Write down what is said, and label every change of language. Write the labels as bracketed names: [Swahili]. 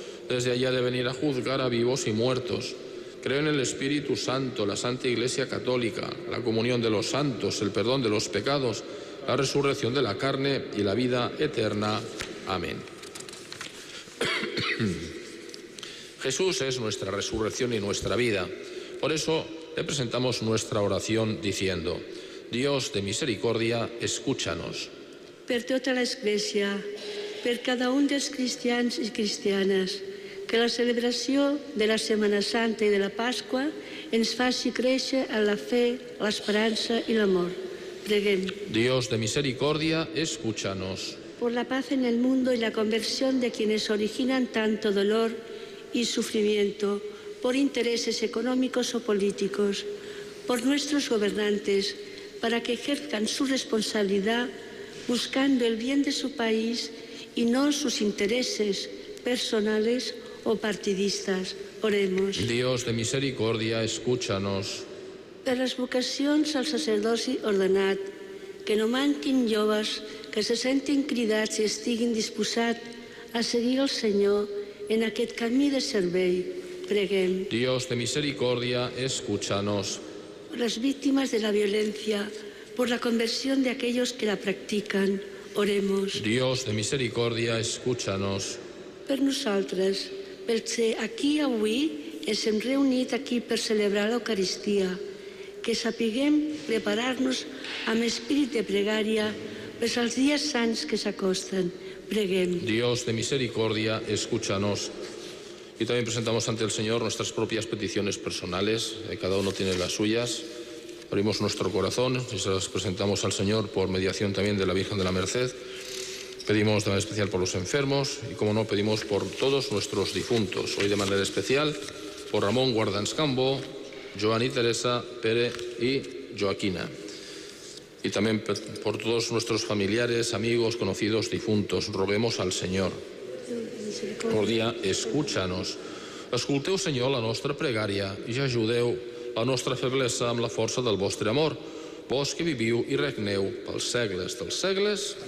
[Spanish] Desde allí ha de venir a juzgar a vivos y muertos. Creo en el Espíritu Santo, la Santa Iglesia Católica, la comunión de los santos, el perdón de los pecados, la resurrección de la carne y la vida eterna. Amén. Jesús es nuestra resurrección y nuestra vida. Por eso le presentamos nuestra oración diciendo: Dios de misericordia, escúchanos. [Catalan] Per tota l'Església, per cada un dels cristians i cristianes, que la celebració de la Setmana Santa i de la Pasqua ens faci créixer en la fe, l'esperança i l'amor. Preguem. [Spanish] Dios de misericordia, escúchanos. Por la paz en el mundo y la conversión de quienes originan tanto dolor y sufrimiento por intereses económicos o políticos, por nuestros gobernantes, para que ejerzan su responsabilidad buscando el bien de su país y no sus intereses personales o partidistas. Oremos. Dios de misericordia, escúchanos. [Catalan] Per les vocacions al sacerdoci ordenat, que no manquin joves que se sentin cridats i estiguin disposats a seguir el Senyor en aquest camí de servei. Preguem. [Spanish] Dios de misericordia, escúchanos. [Catalan] Per les víctimes de la violència, [Spanish] por la conversión de aquellos que la practican, oremos. Dios de misericordia, escúchanos. [Catalan] Per nosaltres, perquè aquí avui ens hem reunit aquí per celebrar l'Eucaristia, que sapiguem preparar-nos amb espírit de pregària per als dies sants que s'acosten. Preguem. [Spanish] Dios de misericordia, escúchanos. Y también presentamos ante el Señor nuestras propias peticiones personales. Cada uno tiene las suyas. Abrimos nuestro corazón y se las presentamos al Señor por mediación también de la Virgen de la Merced. Pedimos de manera especial por los enfermos y, como no, pedimos por todos nuestros difuntos. Hoy de manera especial por Ramón Guardans Cambó, Joan y Teresa, Pere y Joaquina. Y también por todos nuestros familiares, amigos, conocidos, difuntos. Roguemos al Señor. Por día, escúchanos. [Catalan] Escolteu, Señor, [Spanish] la nuestra [Catalan] pregaria y ayudeu la nostra feblesa amb la força del vostre amor. Vos que viviu i regneu pels segles dels segles.